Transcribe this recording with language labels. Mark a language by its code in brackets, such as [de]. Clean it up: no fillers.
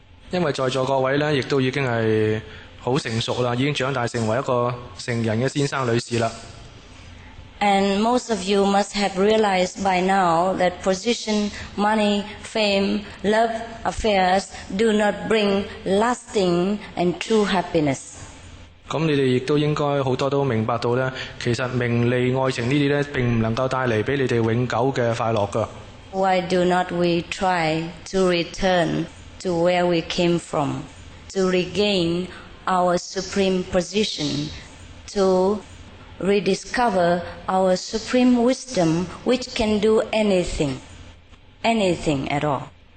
[yue] 因为在座各位咧，亦都已经系好成熟啦，已经长大成为一个成人嘅先生女士啦。 [en] And most of you must have realized by now that position, money, fame, love, affairs do not bring lasting and true happiness. [yue] 咁你哋亦都应该好多都明白到咧，其实名利爱情呢啲咧，并唔能够带嚟俾你哋永久嘅快乐噶。 [en] Why do not we try to return to where we came from, to regain our supreme position, to rediscover our supreme wisdom, which can do anything, anything at all?